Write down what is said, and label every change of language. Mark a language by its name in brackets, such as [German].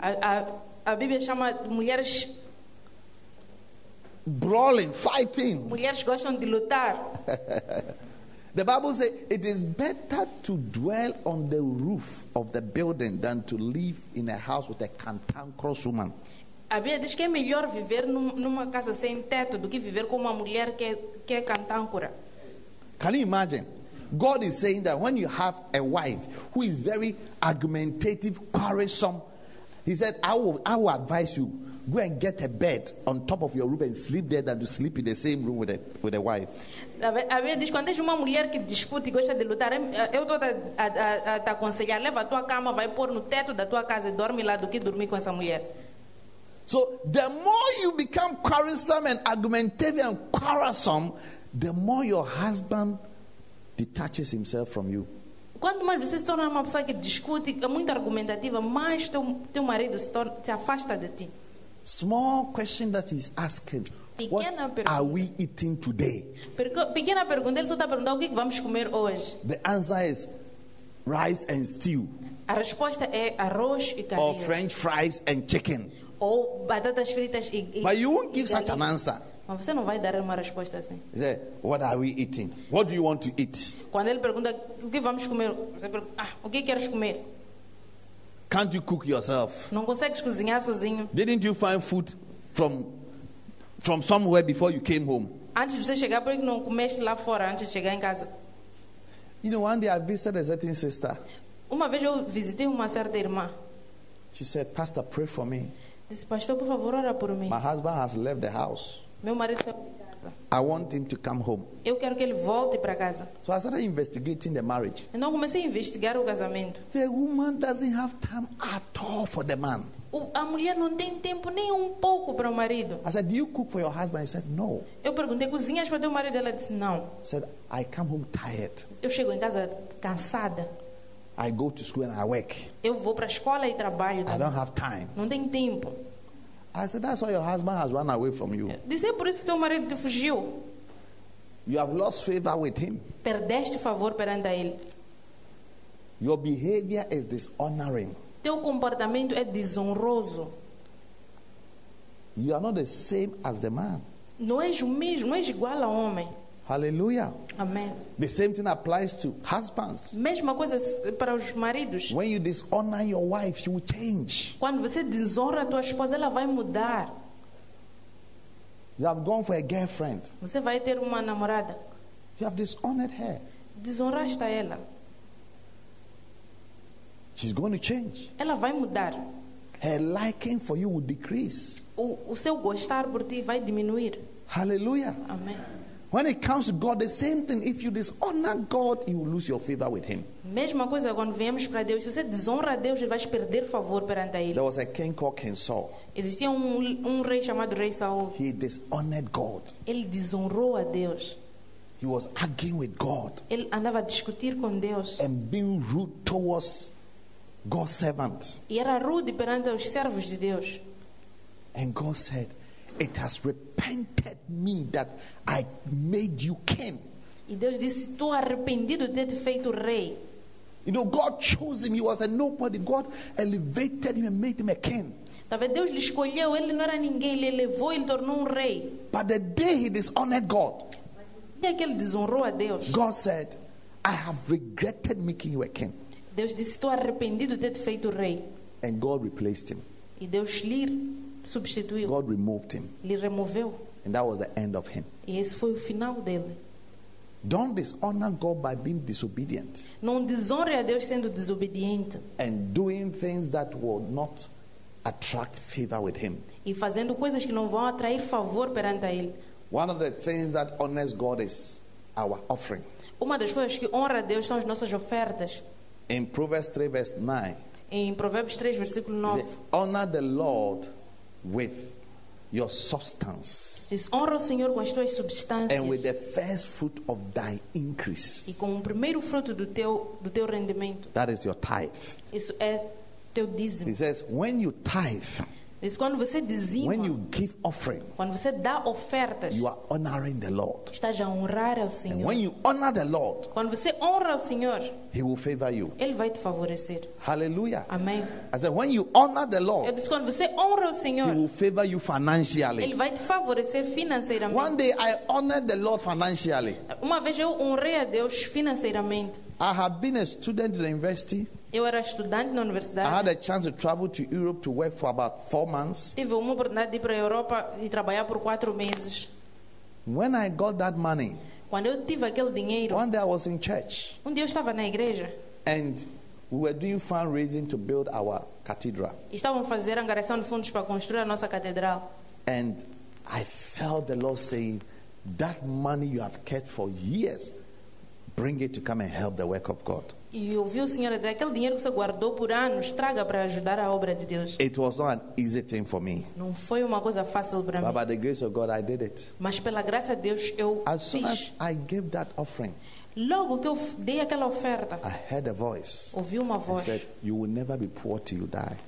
[Portuguese] A Bíblia chama mulheres [English] brawling, fighting. [Portuguese] Mulheres gostam de lutar. [English] The Bible says it is better to dwell on the roof of the building than to live in a house with a cantankerous woman. [Portuguese] A Bíblia diz que é melhor viver numa casa sem teto do que viver com uma mulher que é cantankera. [English] Can you imagine? God is saying that when you have a wife who is very argumentative, quarrelsome, he said, I will advise you, go and get a bed on top of your roof and sleep there than to sleep in the same room with a wife. [Portuguese] A Bíblia diz, quando és uma mulher que discute e gosta de lutar, eu estou a te aconselhar, leva a tua cama, vai pôr no teto da tua casa e dorme lá do que dormir com essa mulher. [English] So, the more you become quarrelsome and argumentative and quarrelsome, the more your husband detaches himself from you. [Portuguese] Quanto mais você se torna uma pessoa que discute, é muito argumentativa, mais teu marido se afasta de ti. [English] Small question that he's asking. [Portuguese] Pequena [English] what are we eating today? [Portuguese] Pequena pergunta, ele só está perguntando o que vamos comer hoje. [English] The answer is rice and stew. [Portuguese] A resposta é arroz e carne. [English] Or French fries and chicken. [Portuguese] Ou batatas fritas e galinha. [English] But you won't give such an answer. [Portuguese] Mas você não vai dar uma resposta assim. [English] He said, what are we eating? What do you want to eat? [Portuguese] Quando ele pergunta o que vamos comer, você pergunta, o que queres comer? [English] Can't you cook yourself? [Portuguese] Não consegues cozinhar sozinho? [English] Didn't you find food from somewhere before you came home? [Portuguese] Antes de você chegar, por que não comeste lá fora antes de chegar em casa? [English] You know, one day I visited a certain sister. [Portuguese] Uma vez eu visitei uma certa irmã. [English] She said, "Pastor, pray for me." [Portuguese] Disse, pastor, por favor, ora por mim. [English] My husband has left the house. [Portuguese] Meu marido saiu. [English] I want him to come home. [Portuguese] Eu quero que ele volte para casa. [English] So I started investigating the marriage. [Portuguese] Então comecei a investigar o casamento. [English] The woman doesn't have time at all for the man. [Portuguese] A mulher não tem tempo nem um pouco para o marido. [English] I said, "Do you cook for your husband?" He said, "No." [Portuguese] Eu perguntei, cozinhas para o teu marido? Ela disse, não. [English] I said, "I come home tired." [Portuguese] Eu chego em casa cansada. [English] I go to school and I work. [Portuguese] Eu vou para a escola e trabalho. [English] I don't have time. [Portuguese] Não tenho tempo. [English] I said, "That's why your husband has run away from you." [Portuguese] Disse, por isso que teu marido te fugiu. [English] You have lost favor with him. [Portuguese] Perdeste favor perante ele. [English] Your behavior is dishonoring. [Portuguese] Teu comportamento é desonroso. [English] You are not the same as the man. [Portuguese] Não és o mesmo, não és igual ao homem. [English] Hallelujah. [Portuguese] Amen. [English] The same thing applies to husbands. [Portuguese] Mesma coisa para os maridos. [English] When you dishonor your wife, you will change. [Portuguese] Quando você desonra a tua esposa, ela vai mudar. [English] You have gone for a girlfriend. [Portuguese] Você vai ter uma namorada. [English] You have dishonored her. [Portuguese] Desonraste ela. [English] She's going to change. [Portuguese] Ela vai mudar. [English] Her liking for you will decrease. [Portuguese] O seu gostar por ti vai diminuir. [English] Hallelujah. [Portuguese] Amen. [English] When it comes to God, the same thing. If you dishonor God, you will lose your favor with him. [Portuguese] Mesma coisa quando viemos para Deus. Se você desonra a Deus, você vai perder favor perante ele. [English] There was a king called King Saul. [Portuguese] Existia um rei chamado Rei Saul. [English] He dishonored God. [Portuguese] Ele desonrou a Deus. [English] He was arguing with God. [Portuguese] Ele andava a discutir com Deus. [English] And being rude towards God's servant. [Portuguese] E era rude perante os servos de Deus. [English] And God said, "It has repented me that I made you king." [Portuguese] E Deus disse, "Tô arrependido de ter feito rei." [English] You know, God chose him. He was a nobody. God elevated him and made him a king. [Portuguese] Talvez Deus lhe escolheu. Ele não era ninguém. Ele elevou e tornou rei. [English] But the day he dishonored God, [Portuguese] e aquele desonrou a Deus. [English] God said, "I have regretted making you a king." [Portuguese] Deus disse, "Tô arrependido de ter feito rei." [English] And God replaced him. [Portuguese] E Deus lhe substituiu. [English] God removed him. [Portuguese] Lhe removeu. [English] And that was the end of him. [Portuguese] E esse foi o final dele. [English] Don't dishonor God by being disobedient. [Portuguese] Não desonre a Deus sendo desobediente. [English] And doing things that will not attract favor with him. [Portuguese] E fazendo coisas que não vão atrair favor perante ele. [English] One of the things that honors God is our offering. [Portuguese] Uma das coisas que honra a Deus são as nossas ofertas. [English] In Proverbs 3 verse 9. [Portuguese] Em Provérbios 3 versículo 9. [English] Honor the Lord with your substance. [Portuguese] Honra o Senhor com as tuas substâncias. [English] And with the first fruit of thy increase. [Portuguese] E com o primeiro fruto do teu rendimento. [English] That is your tithe. [Portuguese] Isso é teu dízimo. [English] He says, when you tithe. [Portuguese] Diz, quando você dizima. [English] When you give offering. [Portuguese] Quando você dá ofertas. [English] You are honoring the Lord. [Portuguese] Estás a honrar ao Senhor. [English] And when you honor the Lord. [Portuguese] Quando você honra ao Senhor. [English] He will favor you. [Portuguese] Ele vai te favorecer. [English] Hallelujah. [Portuguese] Amém. [English] I said, when you honor the Lord. [Portuguese] Eu disse, quando você honra o Senhor. [English] He will favor you financially. [Portuguese] Ele vai te favorecer financeiramente. [English] One day I honored the Lord financially. [Portuguese] Uma vez eu honrei a Deus financeiramente. [English] I have been a student in the university. [Portuguese] Eu era estudante na universidade. [English] I had a chance to travel to Europe to work for about 4 months. [Portuguese] Tive uma oportunidade de ir para a Europa e trabalhar por 4 meses. [English] When I got that money. [Portuguese] Quando eu tive aquele dinheiro. [English] One day I was in church. [Portuguese] Um dia eu estava na igreja. [English] And we were doing fundraising to build our cathedral. [Portuguese] Estávamos fazendo angariação de fundos para construir a nossa catedral. [English] And I felt the Lord saying, "That money you have kept for years, bring it to come and help the work of God." [Portuguese] E ouvi o Senhor dizer, aquele dinheiro que você guardou por anos, traga para ajudar a obra de Deus. [English] It was not an easy thing for me. [Portuguese] Não foi uma coisa fácil para mim. [English] But by the grace of God, I did it. [Portuguese] Mas pela graça de Deus, eu fiz. [English] As soon as I gave that offering, [Portuguese] logo que eu dei aquela oferta, [English] I heard a voice. [Portuguese] Ouvi uma voz. [English] Said, "You will never be poor till you die."